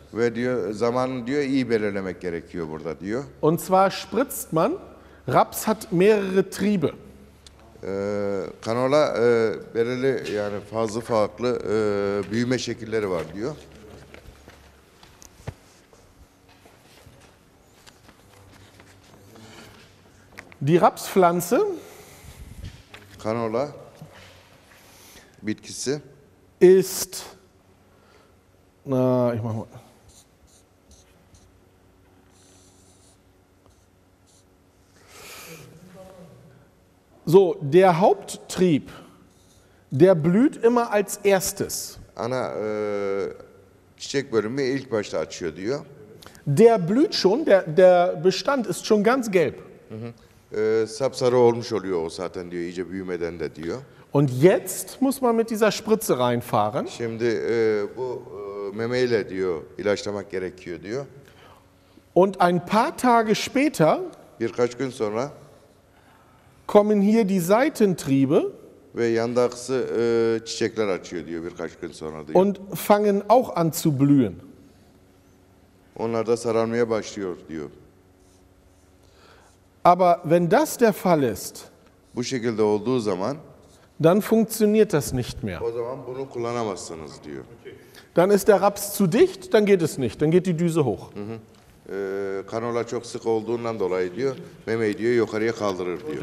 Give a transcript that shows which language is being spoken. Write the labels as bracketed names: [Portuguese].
[Turkish] Ve diyor, zamanı diyor, iyi belirlemek gerekiyor burada diyor. [German] Und zwar spritzt man, Raps hat mehrere Triebe. [Turkish] Kanola belirli yani fazla farklı büyüme şekilleri var diyor. [German] Die Rapspflanze, [Turkish] Canola, bitkisi, [German] ist, na, ich mach mal. So, der Haupttrieb, der blüht immer als erstes. [Turkish] Ana, çiçek bölümü ilk başta açıyor diyor. [German] Der blüht schon, der Bestand ist schon ganz gelb. [Turkish] Sapsarı olmuş oluyor o zaten diyor, iyice büyümeden de diyor. [German] Und jetzt muss man mit dieser Spritze reinfahren. [Turkish] Şimdi bu memeyle diyor, ilaçlamak gerekiyor diyor. [German] Und ein paar Tage später, [Turkish] birkaç gün sonra, [German] kommen hier die Seitentriebe [Turkish] ve yandaksı çiçekler açıyor diyor birkaç gün sonra diyor. [German] Und fangen auch an zu blühen. [Turkish] Onlar da sararmaya başlıyor diyor. [German] Aber wenn das der Fall ist, [Turkish] bu şekilde olduğu zaman, [German] dann funktioniert das nicht mehr. [Turkish] O zaman bunu kullanamazsınız diyor. [German] Dann ist der Raps zu dicht, dann geht es nicht, dann geht die Düse hoch. [Turkish] Kanola çok sık olduğundan dolayı diyor, memeyi diyor yukarıya kaldırır diyor.